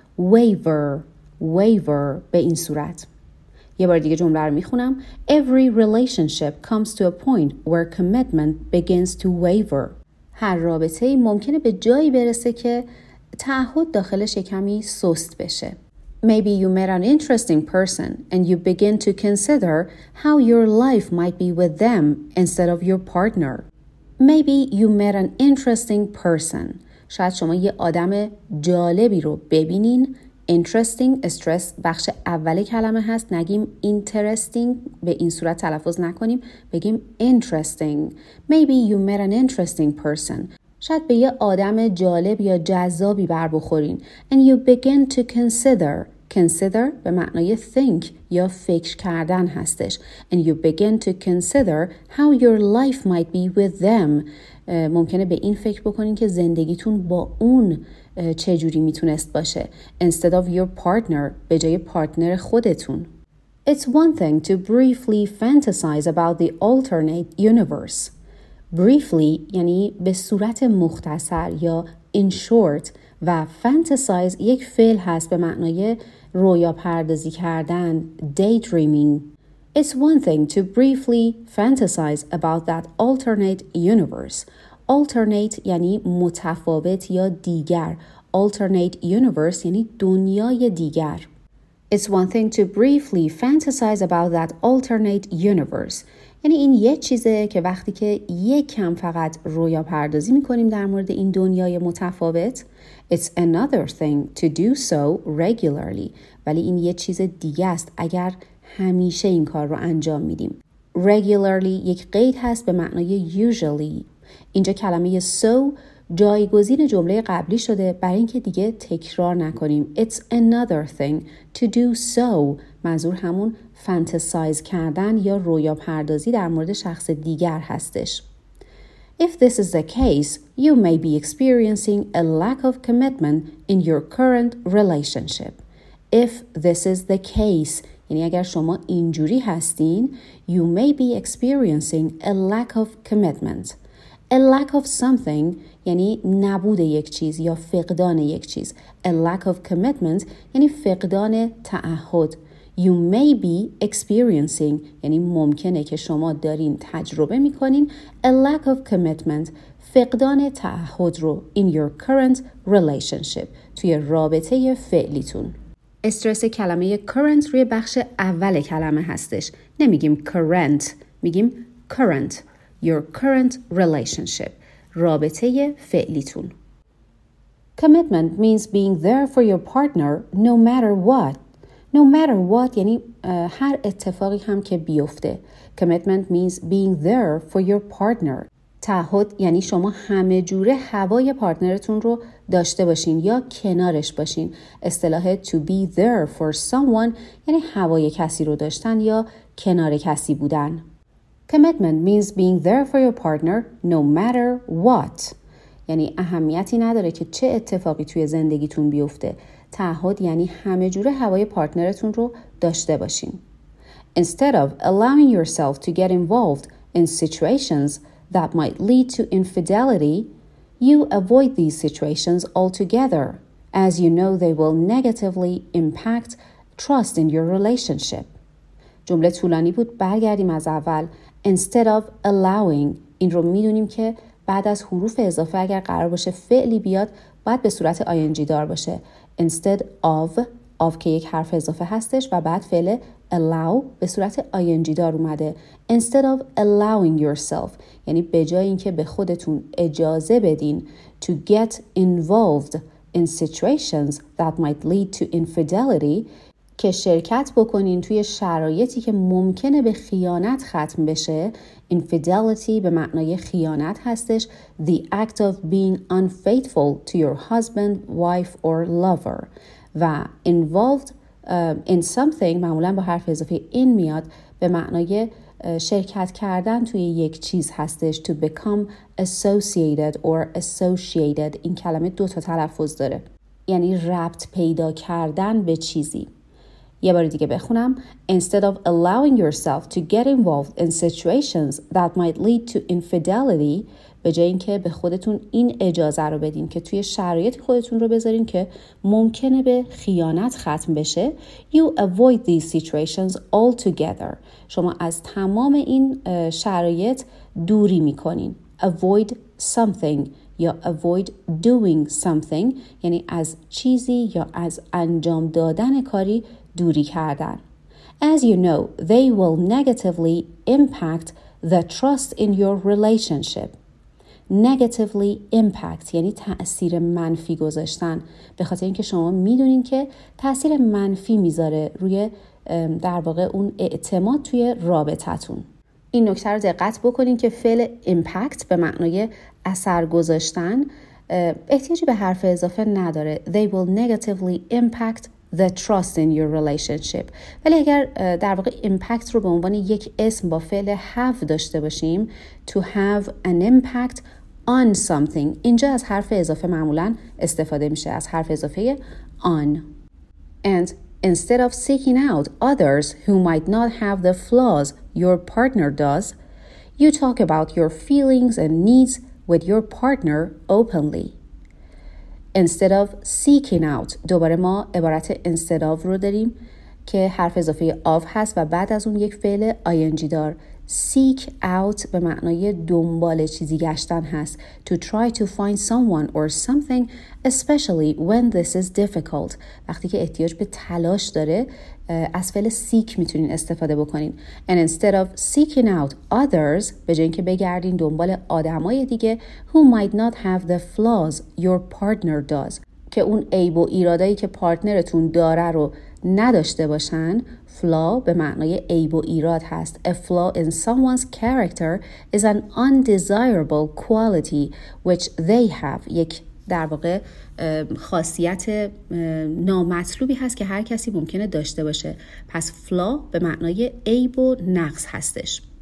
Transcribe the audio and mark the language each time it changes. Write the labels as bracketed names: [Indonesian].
[Persian] waver waver به این صورت. یه بار دیگه جمله رو میخونم. [English] Every relationship comes to a point where commitment begins to waver. [Persian] هر رابطه ای ممکنه به جایی برسه که تعهد داخلش کمی سست بشه. [English] Maybe you met an interesting person and you begin to consider how your life might be with them instead of your partner. Maybe you met an interesting person. [Persian] شاید شما یه آدم جالبی رو ببینین. Interesting, استرس بخش اول کلمه هست. نگیم interesting، به این صورت تلفظ نکنیم، بگیم interesting. [English] Maybe you met an interesting person. [Persian] شاید به یه آدم جالب یا جذابی بر بخورین. [English] And you begin to consider. Consider [Persian] به معنای [English] think [Persian] یا فکر کردن هستش. [English] And you begin to consider how your life might be with them. [Persian] ممکنه به این فکر بکنین که زندگیتون با اون چجوری میتونست باشه. [English] Instead of your partner، [Persian] به جای پارتنر خودتون. [English] It's one thing to briefly fantasize about the alternate universe. [Persian] Briefly یعنی به صورت مختصر یا in short، و fantasize یک فعل هست به معنای رویا پردازی کردن، daydreaming. [English] It's one thing to briefly fantasize about that alternate universe. [Persian] Alternate یعنی متفاوت یا دیگر. Alternate universe یعنی دنیای دیگر. [English] It's one thing to briefly fantasize about that alternate universe. [Persian] یعنی این یه چیزه که وقتی که یک کم فقط رویا پردازی میکنیم در مورد این دنیای متفاوت. [English] It's another thing to do so regularly. [Persian] ولی این یه چیز دیگه است اگر همیشه این کار رو انجام میدیم. Regularly یک قید هست به معنای usually. اینجا کلمه so جایگزین جمله قبلی شده برای اینکه دیگه تکرار نکنیم. [English] It's another thing to do so. [Persian] منظور همون fantasize کردن یا رویا پردازی در مورد شخص دیگر هستش. [English] If this is the case, you may be experiencing a lack of commitment in your current relationship. If this is the case, [Persian] یعنی اگر شما اینجوری هستین، [English] you may be experiencing a lack of commitment. A lack of something [Persian] یعنی نبود یک چیز یا فقدان یک چیز. [English] A lack of commitment [Persian] یعنی فقدان تعهد. [English] You may be experiencing [Persian] یعنی ممکنه که شما دارین تجربه میکنین [English] a lack of commitment، [Persian] فقدان تعهد رو، [English] in your current relationship، [Persian] توی رابطه فعلیتون. استرس کلمه current روی بخش اول کلمه هستش. نمیگیم current، میگیم current. [English] Your current relationship، [Persian] رابطه فعلیتون. [English] Commitment means being there for your partner no matter what. No matter what [Persian] یعنی هر اتفاقی هم که بیفته. [English] Commitment means being there for your partner. [Persian] تعهد یعنی شما همه جوره هوای پارتنرتون رو داشته باشین یا کنارش باشین. اصطلاح [English] to be there for someone [Persian] یعنی هوای کسی رو داشتن یا کنار کسی بودن. [English] Commitment means being there for your partner no matter what. [Persian] یعنی اهمیتی نداره که چه اتفاقی توی زندگیتون بیفته. تعهد یعنی همه جوره هوای پارتنرتون رو داشته باشین. [English] Instead of allowing yourself to get involved in situations that might lead to infidelity, you avoid these situations altogether, as you know they will negatively impact trust in your relationship. [Persian] جمله طولانی بود، برگردیم از اول. [English] Instead of allowing، [Persian] این رو میدونیم که بعد از حروف اضافه اگر قرار باشه فعلی بیاد باید به صورت ing دار باشه. Instead of که یک حرف اضافه هستش و بعد فعل allow به صورت ing دار اومده. [English] Instead of allowing yourself، [Persian] یعنی به جای اینکه به خودتون اجازه بدین [English] to get involved in situations that might lead to infidelity [Persian] که شرکت بکنین توی شرایطی که ممکنه به خیانت ختم بشه. Infidelity به معنای خیانت هستش. [English] The act of being unfaithful to your husband, wife or lover. [Persian] و involved in something معمولا با حرف اضافه in میاد به معنای شرکت کردن توی یک چیز هستش. [English] To become associated or associated. [Persian] این کلمه دو تا تلفظ داره. یعنی ربط پیدا کردن به چیزی. [English] یه بار دیگه بخونم. Instead of allowing yourself to get involved in situations that might lead to infidelity, [Persian] به جای اینکه به خودتون این اجازه رو بدین که توی شرایط خودتون رو بذارین که ممکنه به خیانت ختم بشه, [English] you avoid these situations altogether. [Persian] شما از تمام این شرایط دوری میکنین. Avoid something یا avoid doing something یعنی از چیزی یا از انجام دادن کاری دوری کردن. [English] As you know, they will negatively impact the trust in your relationship. [Persian] Negatively impact یعنی تأثیر منفی گذاشتن, به خاطر اینکه شما میدونین که تأثیر منفی میذاره روی در واقع اون اعتماد توی رابطتون. این نکته رو دقت بکنین که فعل impact به معنای اثر گذاشتن احتیاجی به حرف اضافه نداره. [English] They will negatively impact the trust in your relationship. [Persian] ولی اگر در واقع impact رو به عنوان یک اسم با فعل have داشته باشیم, [English] to have an impact on something, [Persian] اینجا از حرف اضافه معمولا استفاده میشه, از حرف اضافه on. [English] And instead of seeking out others who might not have the flaws your partner does, you talk about your feelings and needs with your partner openly. Instead of seeking out, [Persian] دوباره ما عبارت instead of رو داریم که حرف اضافه of هست و بعد از اون یک فعل ing دار. Seek out به معنای دنبال چیزی گشتن هست. [English] To try to find someone or something, especially when this is difficult. [Persian] وقتی که احتیاج به تلاش داره از فعل seek میتونین استفاده بکنین. [English] And instead of seeking out others, [Persian] به جای اینکه بگردین دنبال آدمای دیگه, [English] who might not have the flaws your partner does, [Persian] که اون عیب و ایرادایی که پارتنرتون داره رو نداشته باشن. Flaw به معنای عیب و ایراد هست. [English] A flaw in someone's character is an undesirable quality which they have. [Persian] یک در واقع خاصیت نامطلوبی هست که هر کسی ممکنه داشته باشه. پس flaw به معنای عیب و نقص هستش.